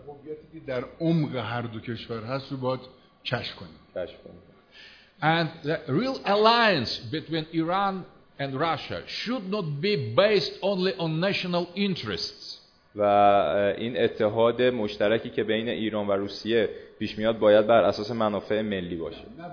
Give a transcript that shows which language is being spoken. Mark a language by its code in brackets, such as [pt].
[fa] هویتی که در عمق هر دو کشور هست رو باید کشف کنیم. کشف کنیم. [en] And the real alliance between Iran and Russia should not be based only on national interests. [fa] و این اتحاد مشترکی که بین ایران و روسیه پیش میاد باید بر اساس منافع ملی باشه.